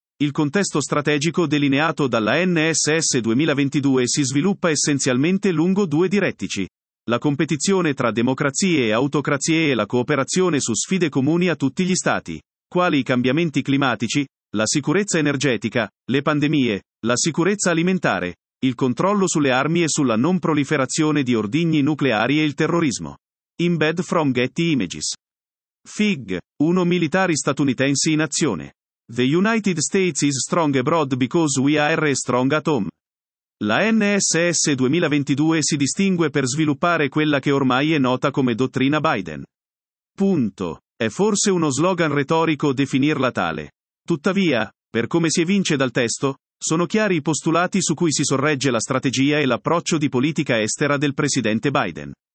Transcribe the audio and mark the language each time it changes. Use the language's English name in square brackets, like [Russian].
[Italian] Il contesto strategico delineato dalla NSS 2022 si sviluppa essenzialmente lungo due direttici: la competizione tra democrazie e autocrazie e la cooperazione su sfide comuni a tutti gli Stati, quali i cambiamenti climatici, la sicurezza energetica, le pandemie, la sicurezza alimentare, il controllo sulle armi e sulla non proliferazione di ordigni nucleari e il terrorismo. [English] Embed from Getty Images. [Italian] FIG, 1 militari statunitensi in azione. [English] The United States is strong abroad because we are strong at home. [Italian] La NSS 2022 si distingue per sviluppare quella che ormai è nota come dottrina Biden. Punto. È forse uno slogan retorico definirla tale. Tuttavia, per come si evince dal testo, sono chiari i postulati su cui si sorregge la strategia e l'approccio di politica estera del presidente Biden.